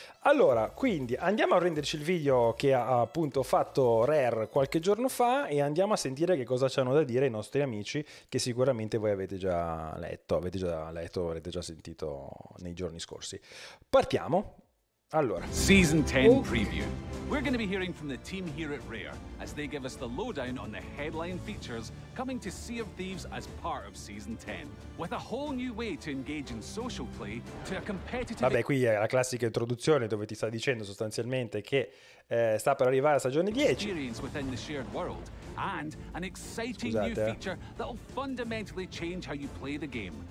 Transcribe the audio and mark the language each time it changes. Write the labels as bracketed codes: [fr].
[it] Allora, quindi andiamo a prenderci il video che ha appunto fatto Rare qualche giorno fa e andiamo a sentire che cosa ci hanno da dire i nostri amici, che sicuramente voi avete già letto, avrete già sentito nei giorni scorsi. Partiamo. Allora, [en] Season 10 preview. We're going to be hearing from the team here at Rare as they give us the lowdown on the headline features coming to Sea of Thieves as part of Season 10, with a whole new way to engage in social play to a competitive. [it] Vabbè, qui è la classica introduzione dove ti sta dicendo sostanzialmente che sta per arrivare la stagione 10. [en] And an exciting new feature that will fundamentally change how you play the game.